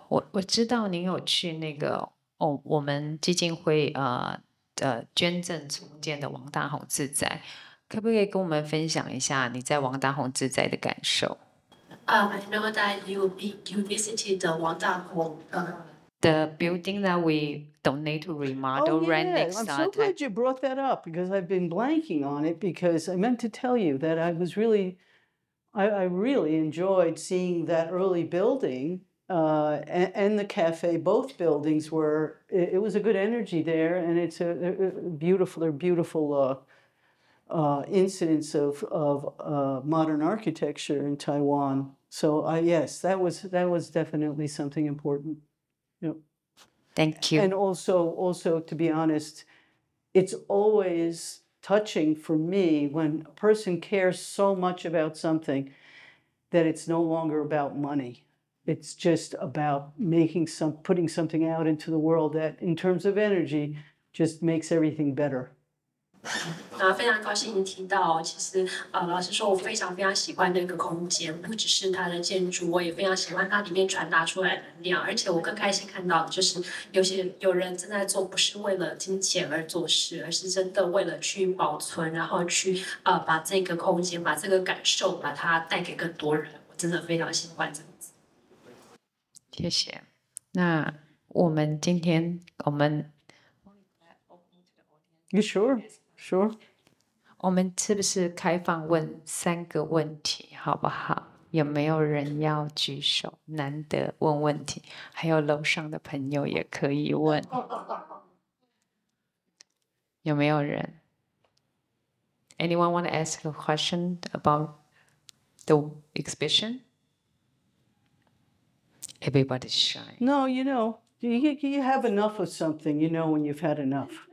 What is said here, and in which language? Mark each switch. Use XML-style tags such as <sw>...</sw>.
<zh>我知道您有去那个我们基金会捐赠重建的王大闳自宅，可不可以跟我们分享一下你在王大闳自宅的感受？</zh> <en>I know that you visited the Wang Da Hong the building that we donate to remodel right next to it. I'm so glad you brought that up because I've been blanking on it because I meant to tell you that I was really, I really enjoyed seeing that early building and the cafe. Both buildings were, it was a good energy there and it's a beautiful, they're beautiful incidents of modern architecture in Taiwan. So yes, that was definitely something important. Thank you. And also, to be honest, it's always touching for me when a person cares so much about something that it's no longer about money. It's just about putting something out into the world that, in terms of energy, just makes everything better.</en> <zh>非常高兴您听到，其实老实说，我非常非常喜欢那个空间，不只是它的建筑，我也非常喜欢它里面传达出来的能量，而且我更开心看到就是有人正在做，不是为了金钱而做事，而是真的为了去保存，然后去把这个空间，把这个感受，把它带给更多人。我真的非常喜欢这样子。谢谢。那我们今天我们</zh> <en>，You sure？ Sure.</en> <zh>我们是不是开放问三个问题好不好？有没有人要举手？难得问问题，还有楼上的朋友也可以问。有没有人</zh> <en>？Anyone want to ask a question about the exhibition? Everybody shy. No, you know, you have enough of something. You know when you've had enough.</en>